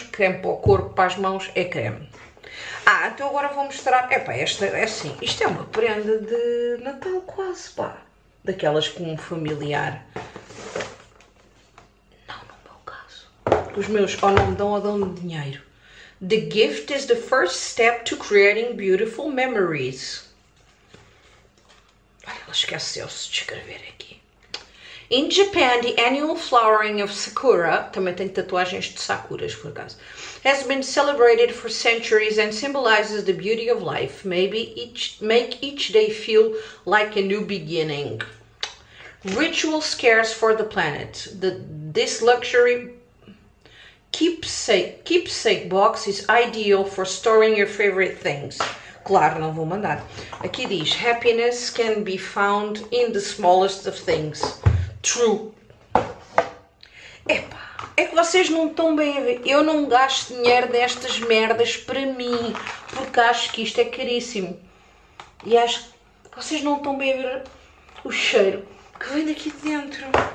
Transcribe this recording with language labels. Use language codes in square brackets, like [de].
[pt] Creme para o corpo, para as mãos, é creme. Ah, então agora vou mostrar. Epá, esta é assim. Isto é uma prenda de Natal, quase pá. Daquelas com um familiar. Não, no meu caso. Os meus, ou não me dão ou dão-me dinheiro. [en] The gift is the first step to creating beautiful memories. [pt] Olha, ela esqueceu-se de escrever aqui. [en] In Japan, the annual flowering of Sakura, [pt] também tem tatuagens de Sakuras, por acaso, [en] has been celebrated for centuries and symbolizes the beauty of life. Make each day feel like a new beginning. Ritual scares for the planet. This luxury keepsake box is ideal for storing your favorite things. [pt] Claro, não vou mandar. Aqui diz, [en] happiness can be found in the smallest of things. True. [pt] Epá, é que vocês não estão bem a ver. Eu não gasto dinheiro destas merdas para mim, porque acho que isto é caríssimo. E acho que vocês não estão bem a ver o cheiro que vem daqui de dentro.